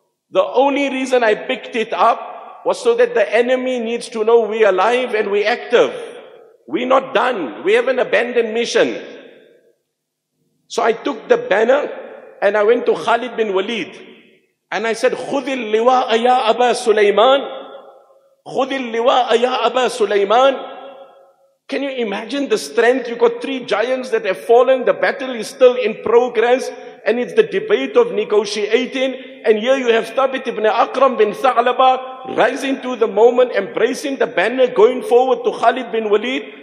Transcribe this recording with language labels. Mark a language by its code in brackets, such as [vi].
[en] The only reason I picked it up was so that the enemy needs to know we're alive and we're active. We're not done. We haven't abandoned mission. So I took the banner and I went to Khalid bin Walid. And I said, [ar] خُذِ اللِّوَاءَ يَا أَبَا سُلَيْمَانَ خُذِ اللِّوَاءَ يَا أَبَا سُلَيْمَانَ. [en] Can you imagine the strength? You've got three giants that have fallen. The battle is still in progress. And it's the debate of negotiating. And here you have Thabit ibn Akram bin Tha'laba rising to the moment, embracing the banner, going forward to Khalid bin Walid.